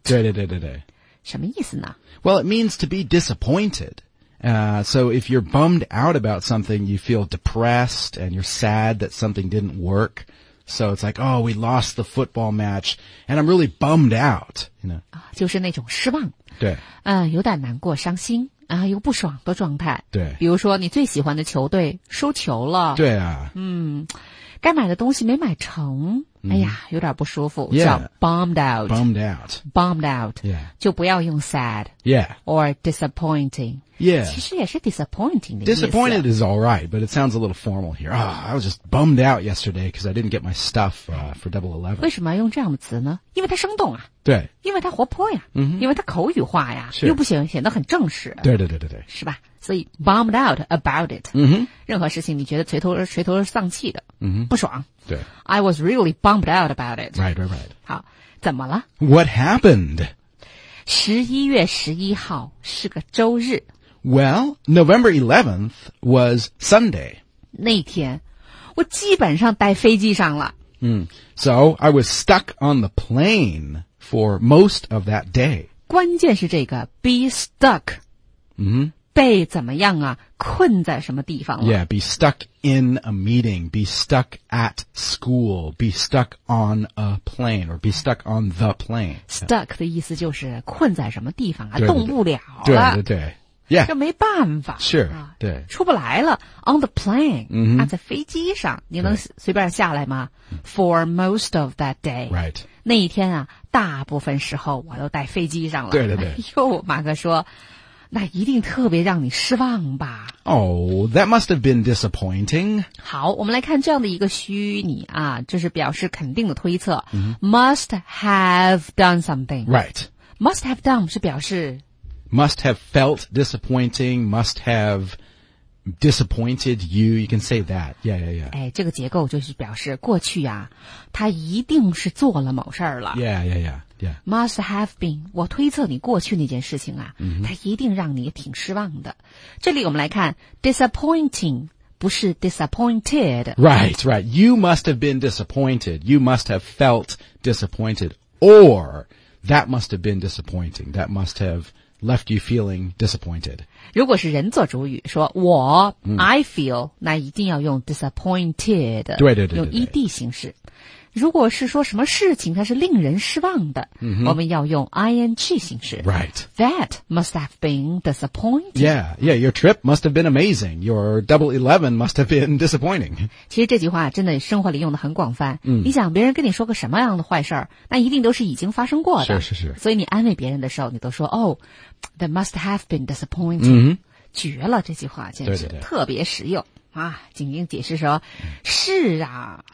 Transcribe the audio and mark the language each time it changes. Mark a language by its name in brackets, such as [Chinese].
[Chinese] 对对对对对。什么意思呢？ [English] Well, it means to be disappointed. So if you're bummed out about something, you feel depressed and you're sad that something didn't work. So it's like, oh, we lost the football match and I'm really bummed out. You know? [Chinese] 就是那种失望。对。有点难过伤心啊，有不爽的状态。对。比如说你最喜欢的球队输球了。对啊。嗯。该买的东西没买成。哎呀，有点不舒服，叫 bummed out. [English] Bummed out. Bummed out. Yeah. [Chinese] 就不要用 sad. [English] Yeah. Or disappointing. Yeah. [Chinese] 其实也是 disappointing 的意思。 [English] Disappointed is alright, but it sounds a little formal here. Oh, I was just bummed out yesterday because I didn't get my stuff, for Double Eleven. [Chinese] 为什么要用这样的词呢？因为它生动啊。对。因为它活泼呀。嗯哼。因为它口语化呀。是。又不显得很正式。对对对对对。是吧？所以 bummed out about it. 嗯哼。任何事情你觉得垂头丧气的。嗯哼。不爽。对。 [English] I was really bummed out about it. Right, right, right. [Chinese] 好，怎么了？ [English] What happened? [Chinese] 11月11号是个周日。 [English] Well, November 11th was Sunday. [Chinese] 那天我基本上待飞机上了。 [English] So I was stuck on the plane for most of that day. [Chinese] 关键是这个 be stuck. 被怎么样啊，困在什么地方了。 [English] Yeah, be stuck in a meeting, be stuck at school, be stuck on a plane, or be stuck on the plane. [Chinese] Stuck 的意思就是困在什么地方啊，对对对，动不了了。对对对。Yeah. 这没办法。 Sure, 对。出不来了。 [English] On the plane,、 mm-hmm. [Chinese] 啊、在飞机上你能随便下来吗 ? [English] For most of that day. Right. [Chinese] 那一天啊，大部分时候我都带飞机上了。对对对。哟，马哥说。那一定特别让你失望吧。 [English] Oh, that must have been disappointing. [Chinese] 好，我们来看这样的一个虚拟啊，就是表示肯定的推测。 Mm-hmm. [English] Must have done something. Right. [Chinese] Must have done 是表示。 [English] Must have felt disappointing, must have disappointed you, you can say that. Yeah, yeah, yeah. [Chinese] 哎，这个结构就是表示过去啊，他一定是做了某事儿了。 [English] Yeah, yeah, yeah. Yeah. Must have been. [Chinese] 我推测你过去那件事情啊、 mm-hmm. 它一定让你挺失望的。这里我们来看 disappointing 不是 disappointed. [English] Right, right. You must have been disappointed. You must have felt disappointed. Or that must have been disappointing. That must have left you feeling disappointed. [Chinese] 如果是人做主语说我、mm. [English] I feel, [Chinese] 那一定要用 disappointed. 对对对对对用 ED 形式。如果是说什么事情它是令人失望的、 mm-hmm. 我们要用 ING 形式。 [English] Right. That must have been disappointing. Yeah, yeah, your trip must have been amazing. Your Double Eleven must have been disappointing. [Chinese] 其实这句话真的生活里用的很广泛。 Mm. 你想别人跟你说个什么样的坏事儿那一定都是已经发生过的。是是是。所以你安慰别人的时候你都说 [English] oh, that must have been disappointing.、 Mm-hmm. [Chinese] 绝了这句话简直对对对特别实用。啊紧紧解释说、mm. 是啊。